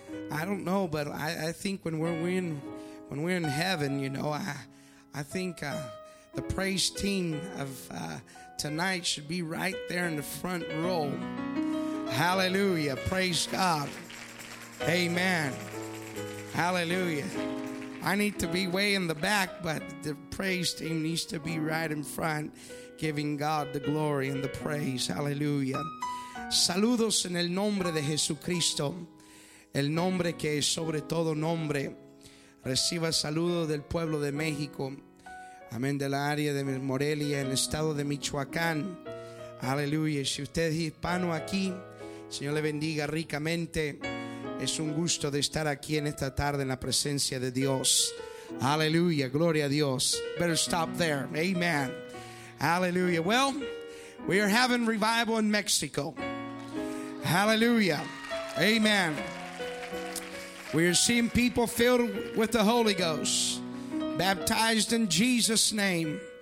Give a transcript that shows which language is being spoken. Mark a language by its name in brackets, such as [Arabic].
[English] I don't know, but I think when we're in heaven, you know, I think the praise team of tonight should be right there in the front row. Hallelujah. Praise God. Amen. Hallelujah. I need to be way in the back, but the praise team needs to be right in front, giving God the glory and the praise. Hallelujah. [Spanish] Saludos en el nombre de Jesucristo, el nombre que es sobre todo nombre. Reciba saludos del pueblo de México. Amén, de la área de Morelia, en el estado de Michoacán. Aleluya. Si usted es hispano aquí, Señor le bendiga ricamente. Es un gusto de estar aquí en esta tarde en la presencia de Dios. Aleluya. Gloria a Dios. [English] Better stop there. [Spanish] Amen. Aleluya. [English] Well, we are having revival in Mexico. Aleluya. Amen. We are seeing people filled with the Holy Ghost, baptized in Jesus' name.